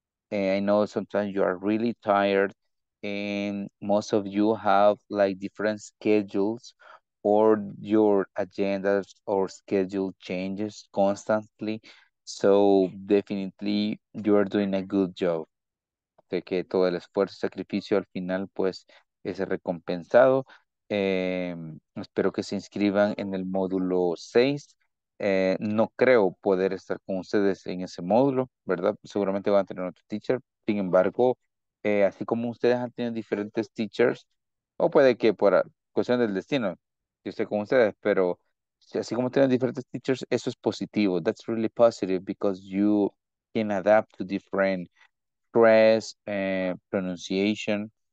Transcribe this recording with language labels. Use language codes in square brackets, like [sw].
[en] I know sometimes you are really tired, and most of you have like different schedules, or your agendas or schedule changes constantly. So definitely you are doing a good job. [es] De que todo el esfuerzo y sacrificio al final pues es recompensado. Espero que se inscriban en el módulo 6. No creo poder estar con ustedes en ese módulo, ¿verdad? Seguramente van a tener otro teacher. Sin embargo, así como ustedes han tenido diferentes teachers, o puede que por cuestión del destino, yo esté con ustedes, pero... Así como tienen diferentes teachers, eso es positivo. [en] That's really positive because you can adapt to different stress, pronunciation.